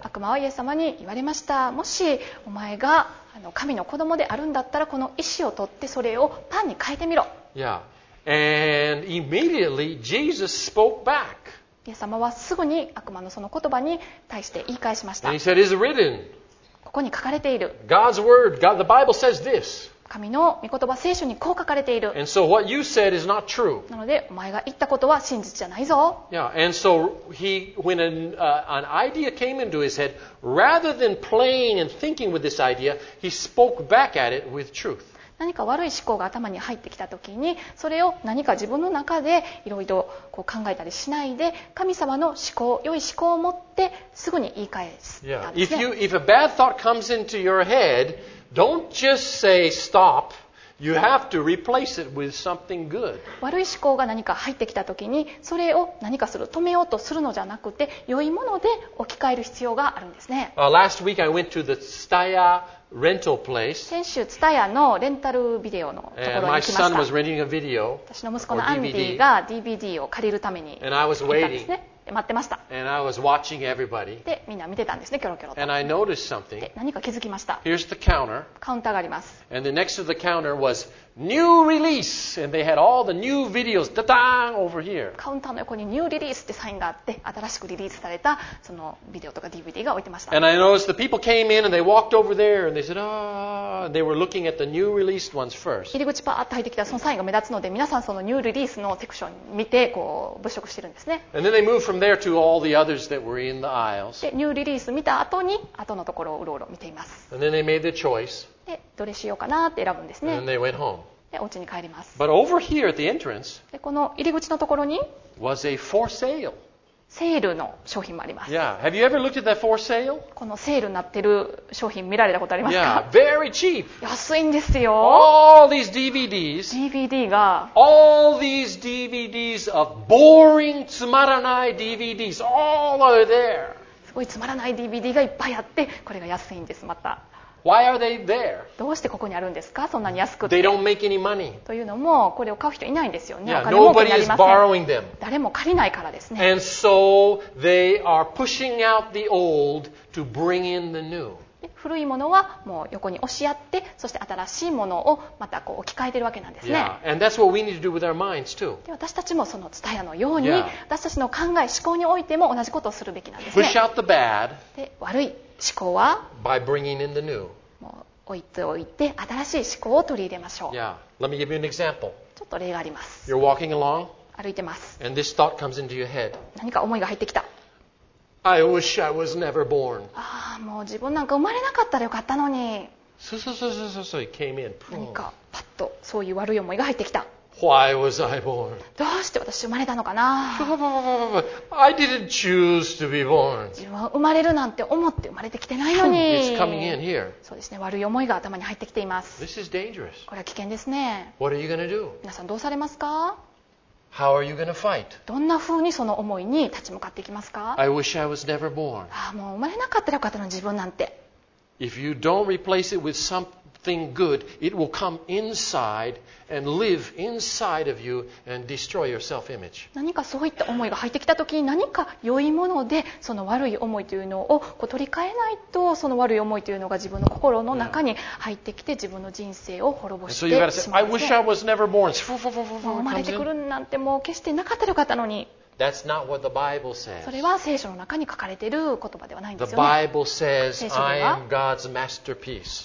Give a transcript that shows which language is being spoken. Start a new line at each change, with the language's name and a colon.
Japanese: 悪魔はイエス様に言われました。もしお前が神の子供であるんだったら、この石を取ってそれをパンに変えてみろ。
English: Yeah. And immediately Jesus spoke back.
Japanese: イエス様はすぐに悪魔のその言葉に対して言い返しました。
English: And he said, it's written.
Japanese: ここに書かれている。
English: God's word, God, the Bible says this.
Japanese: 神の御言葉、聖書にこう書かれている。
English: And so what you said is not true.
Japanese: なので、お前が言ったことは真実じゃないぞ。
English: Yeah. And so he, when an idea came into his head, rather than playing and thinking with this idea, he spoke back at it with truth.
Japanese: 何か悪い思考が頭に入ってきたときに、それを何か自分の中でいろいろこう考えたりしないで、神様の思考、良い思考を持ってすぐに言い返したんですね。
English: If you, if a bad thought comes into your head, don't just say stop. You have to replace it with something good.
Japanese: 悪い思考が何か入ってきたときに、それを何かする、止めようとするのじゃなくて、良いもので置き換える必要があるんですね。
English: Last week I went to the Tsutaya. Rental place.
Japanese: 先週ツタヤのレンタルビデオのところに行きました。
English: And my son was renting a video,
Japanese: 私の息子のアンディが DVD を借りるために
English: And I was waiting.
Japanese: 行ったんですね。待ってました。
English: And I was watching everybody.
Japanese: で、みんな見てたんですね、キョロキョロと。
English: And I noticed something.
Japanese: で、何か気づきました。
English: Here's the counter.
Japanese: カウンターがあります。
English: And the next to the counter was new release. And they had all the new videos.
Japanese: ダダーン
English: over here.
Japanese: カウンターの横にニューリリースってサインがあって、新しくリリースされたそのビデオとか DVD が置いてました。
English: And I noticed the people came in and they walked over there and they said, they were looking at the new released ones first.
Japanese: 入り口パーッと入ってきたそのサインが目立つので、皆さんそのニューリリースのセクション見てこう物色してるんですね。
English: And then they moved from there to all the others that were in the aisles.
Japanese: で、ニューリリース見た後に後のところをうろうろ見ています。
English: And then they made their choice.
Japanese: でどれしようかなって選ぶんですね。
English: And they went home.
Japanese: でお家に帰ります。
English: But over here at the entrance,
Japanese: でこの入り口のところに
English: was a for sale.
Japanese: セールの商品もあります。
English: Yeah. Have you ever looked at that for sale?
Japanese: このセールになってる商品見られたことありますか？
English: Yeah. Very cheap.
Japanese: 安いんですよ。
English: All these DVDs.
Japanese: DVD が
English: All these DVDs of boring,
Japanese: つまらない
English: DVDs. All are there.
Japanese: すごいつまらない DVD がいっぱいあって、これが安いんです。また。
English: Why are they there?
Japanese: どうしてここにあるんですか？そんなに安くて。
English: They don't make any money.
Japanese: というのも、これを買う人いないんですよね。
English: Yeah, nobody is borrowing them.
Japanese: 誰も借りないからですね。
English: And so they are pushing out the old to bring in the new.
Japanese: 古いものはもう横に押し合って、そして新しいものをまたこう置き換えてるわけなんですね。
English: Yeah, and that's what we need to do with our minds too.
Japanese: で、私たちもそのツタヤのように、yeah. 私たちの考え、思考においても同じことをするべきなんですね。
English: Push out the bad.
Japanese: で、悪い。思考は
English: By bringing in the new.
Japanese: もう置いておいて新しい思考を取り入れましょう。
English: Yeah. Let me give you an example.
Japanese: ちょっと例があります。
English: You're walking along.
Japanese: 歩いてます。
English: And this thought comes into your head.
Japanese: 何か思いが入ってきた。
English: I wish I was never born.
Japanese: ああ、もう自分なんか生まれなかったらよかったのに。そうそうそうそうそうそう。
English: It came in.
Japanese: 何かパッとそういう悪い思いが入ってきた。
English: Why was I born?
Japanese: どうして私生まれたのかな。
English: I didn't choose to be born.
Japanese: 自分は生まれるなんて思って生まれてきてないのに。
English: It's coming in here.
Japanese: そうですね。悪い思いが頭に入ってきています。
English: This is dangerous.
Japanese: これは危険ですね。
English: What are you gonna do?
Japanese: 皆さんどうされますか。
English: How are you gonna fight?
Japanese: どんな風にその思いに立ち向かっていきますか。
English: I wish I was never born.
Japanese: ああ、もう生まれなかったらよかったの自分なんて。
English: If you don't replace it with some, something good, it will come inside and live inside of you and destroy your self-image.
Japanese: 何かそういった思いが入ってきた時に何か良いものでその悪い思いというのをこう取り替えないとその悪い思いというのが自分の心の中に入ってきて自分の人生を滅ぼしてしまいますね。
English: I wish I was never born.
Japanese: 生まれてくるなんてもう決してなかったらよかったのに。
English: That's not what the Bible says.
Japanese: それは聖書の中に書かれている言葉ではないんですよね。
English: The Bible says, I am God's masterpiece.